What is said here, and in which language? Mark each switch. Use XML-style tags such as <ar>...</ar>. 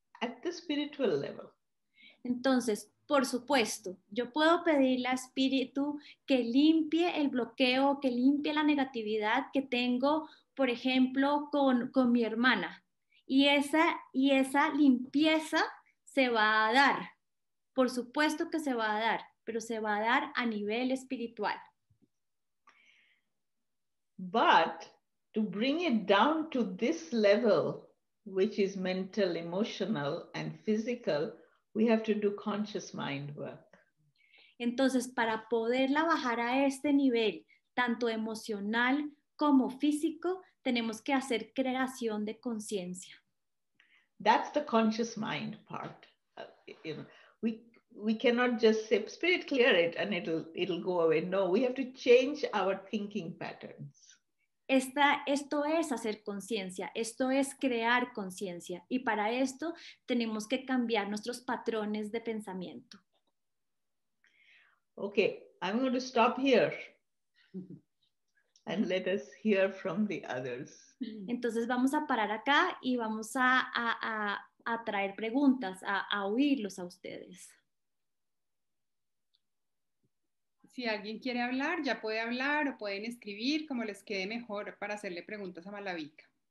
<en>at the spiritual level.</en> <es>Entonces, por supuesto, yo puedo pedirle a espíritu que limpie el bloqueo, que limpie la negatividad que tengo, por ejemplo, con mi hermana. Y esa limpieza se va a dar. Por supuesto que se va a dar, pero se va a dar a nivel espiritual.</es> <en>But to bring it down to this level, which is mental, emotional, and physical, we have to do conscious mind work.</en> <es>Entonces, para poderla bajar a este nivel, tanto emocional como físico, tenemos que hacer creación de conciencia.</es> <en>That's the conscious mind part. We cannot just say, spirit clear it and it'll go away. No, we have to change our thinking patterns.</en> <es>Esto es hacer conciencia, esto es crear conciencia. Y para esto tenemos que cambiar nuestros patrones de pensamiento.</es> <en>Okay, I'm going to stop here and let us hear from the others.</en> <es>Entonces vamos a parar acá y vamos a traer preguntas, a oírlos a ustedes. Si alguien quiere hablar, ya puede hablar o pueden escribir como les quede mejor para hacerle preguntas a Malabika.</es>